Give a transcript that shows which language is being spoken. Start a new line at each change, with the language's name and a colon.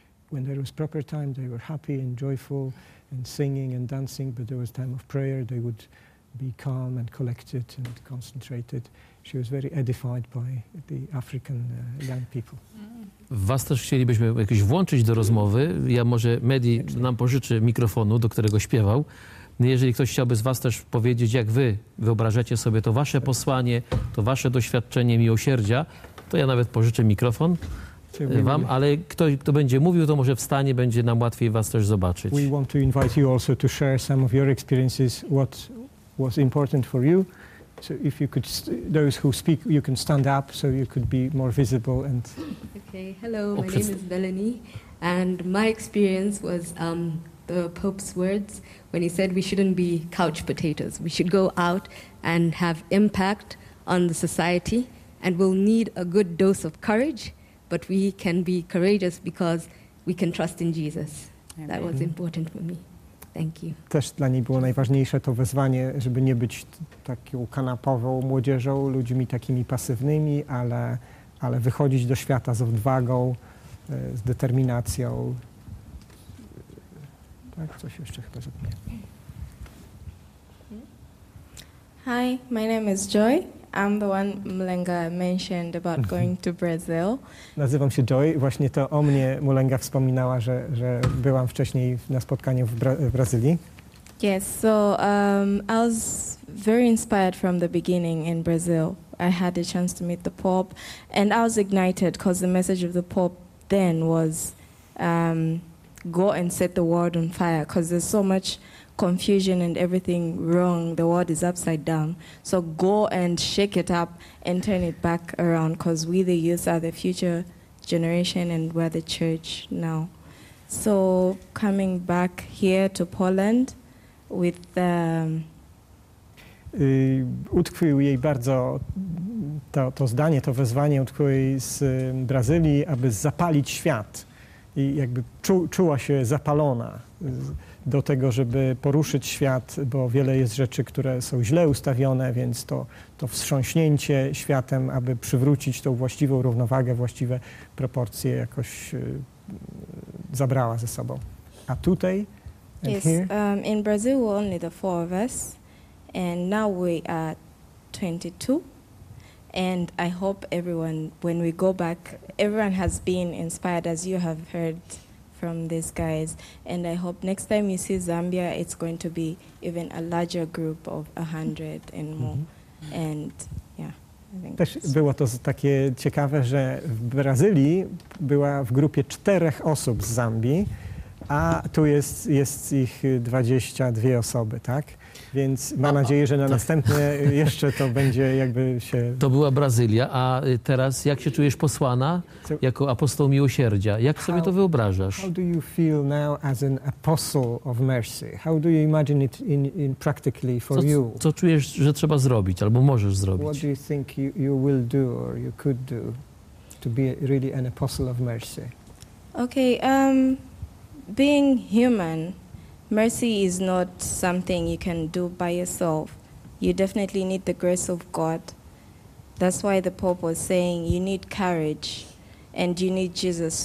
English: When there was proper time, they were happy and joyful and singing and dancing, but there was time of prayer, they would be calm and collected and concentrated. She was very edified by the African young people.
Polish: Was też chcielibyśmy jakoś włączyć do rozmowy. Ja może Mehdi nam pożyczy mikrofonu, do którego śpiewał. Jeżeli ktoś chciałby z Was też powiedzieć, jak Wy wyobrażacie sobie to Wasze posłanie, to Wasze doświadczenie miłosierdzia, to ja nawet pożyczę mikrofon Wam, ale ktoś, kto będzie mówił, to może wstanie, będzie nam łatwiej Was też zobaczyć.
English: We want to invite you also to share some of your experiences, what was important for you. So if you could, those who speak, you can stand up, so you could be more visible. And okay, hello, my name is Melanie, and my experience was the Pope's words when he said we shouldn't be couch potatoes. We should go out and have impact on the society, and we'll need a good dose of courage. But we can be courageous because we can trust in Jesus. That was important for me. Thank you.
Polish: Też dla niej było najważniejsze to wezwanie, żeby nie być taką kanapową młodzieżą, ludźmi takimi pasywnymi, ale wychodzić do świata z odwagą, z determinacją. Tak, coś jeszcze chyba zrobię.
English: Hi, my name is Joy. I'm the one Mulenga mentioned about going to Brazil.
Polish: Nazywam się Joy. Właśnie to o mnie Mulenga wspominała, że byłam wcześniej na spotkaniu w Brazylii.
English: Yes, so I was very inspired from the beginning in Brazil. I had the chance to meet the Pope, and I was ignited because the message of the Pope then was go and set the world on fire, because there's so much confusion and everything wrong. The world is upside down. So go and shake it up and turn it back around, because we, the youth, are the future generation and we're the church now. So coming back here to Poland with the...
Polish: Utkwił jej bardzo to zdanie, to wezwanie utkwiło jej z Brazylii, aby zapalić świat. I jakby czuła się zapalona do tego, żeby poruszyć świat, bo wiele jest rzeczy, które są źle ustawione, więc to wstrząśnięcie światem, aby przywrócić tą właściwą równowagę, właściwe proporcje, jakoś zabrała ze sobą. A tutaj?
English: Yes, in Brazil were only the four of us, and now we are 22. And I hope everyone, when we go back, everyone has been inspired, as you have heard from these guys. And I hope next time you see Zambia, it's going to be even a larger group of 100 and more. Mm-hmm. And yeah, I think
Polish: też było to takie ciekawe, że w Brazylii była w grupie 4 osób z Zambii, a tu jest ich 22 osoby, tak? Więc mam nadzieję, że na następne jeszcze to będzie jakby się... To była Brazylia, a teraz jak się czujesz posłana jako apostoł miłosierdzia? Jak sobie to wyobrażasz?
English: How do you feel now as an apostle of mercy? How do you imagine it in practically for you?
Polish: Co czujesz, że trzeba zrobić albo możesz zrobić?
English: What do you think you will do or you could do to be really an apostle of mercy? Okay, being human... Mercy is not something you can do by yourself. You definitely need the grace of God. That's why the Pope was saying you need courage and you need Jesus.